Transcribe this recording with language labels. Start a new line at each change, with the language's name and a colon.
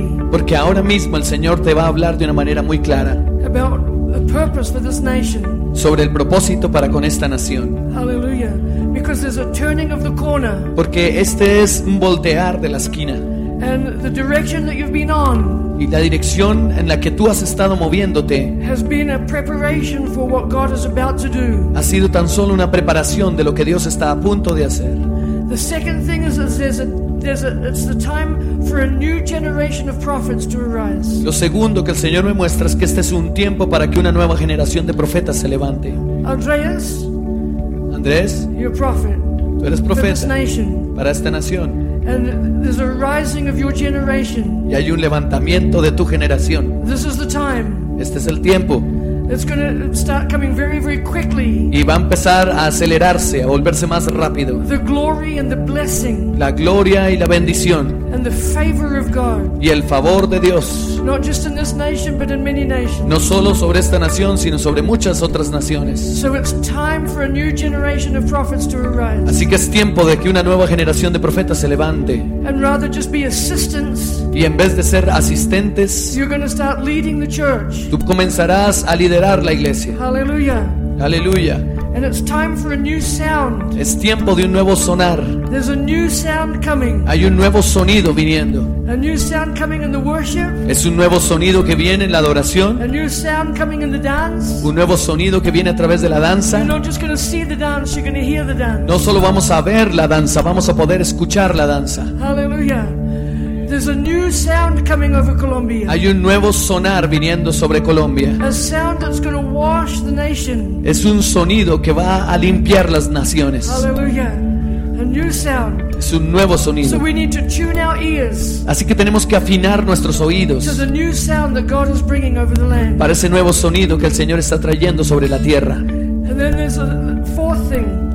Spanish: Porque ahora mismo el Señor te va a hablar de una manera muy clara
English: about a purpose for this nation.
Spanish: Sobre el propósito para con esta nación.
English: Hallelujah. Because there's a turning of the corner.
Spanish: Porque este es un voltear de la esquina.
English: And the direction that you've been on.
Spanish: Y la dirección en la que tú has estado moviéndote
English: has been a preparation for what God is about to do.
Spanish: Ha sido tan solo una preparación de lo que Dios está a punto de hacer.
English: The second thing is that it's the time for a new generation of prophets to arise.
Spanish: Lo segundo que el Señor me muestra es que este es un tiempo para que una nueva generación de profetas se levante.
English: Andrés, you're a prophet.
Spanish: Tú eres profeta
English: for this nation.
Spanish: Para esta nación.
English: And there's a rising of your generation.
Spanish: Y hay un levantamiento de tu generación.
English: This is the time.
Spanish: Este es el tiempo.
English: It's going to start coming very, very quickly.
Spanish: Y va a empezar a acelerarse, a volverse más rápido.
English: The glory and the blessing.
Spanish: La gloria y la bendición.
English: And the favor of God.
Spanish: Y el favor de Dios.
English: Not just in this nation, but in many nations.
Spanish: No solo sobre esta nación, sino sobre muchas otras naciones.
English: So it's time for a new generation of prophets to arise.
Spanish: Así que es tiempo de que una nueva generación de profetas se levante.
English: And rather just be assistants.
Spanish: Y en vez de ser asistentes,
English: you're going to start leading the church.
Spanish: Tú comenzarás a liderar la iglesia.
English: Hallelujah. Hallelujah. And it's time for a new sound.
Spanish: Es tiempo de un nuevo sonar.
English: There's a new sound coming.
Spanish: Hay un nuevo sonido viniendo.
English: A new sound coming in the worship.
Spanish: Es un nuevo sonido que viene en la adoración.
English: A new sound coming in the dance.
Spanish: Un nuevo sonido que viene a través de la danza.
English: You're not just going to see the dance, you're going to hear the dance.
Spanish: No solo vamos a ver la danza, vamos a poder escuchar la danza.
English: Hallelujah. There's a new sound coming over Colombia.
Spanish: Hay un nuevo sonar viniendo sobre Colombia.
English: A sound that's going to wash the nation.
Spanish: Es un sonido que va a limpiar las naciones.
English: Hallelujah. A new sound.
Spanish: Es un nuevo sonido.
English: So we need to tune our ears.
Spanish: Así que tenemos que afinar nuestros oídos.
English: To the new sound that God is bringing over the land.
Spanish: Para ese nuevo sonido que el Señor está trayendo sobre la tierra.
English: And then there's a fourth thing.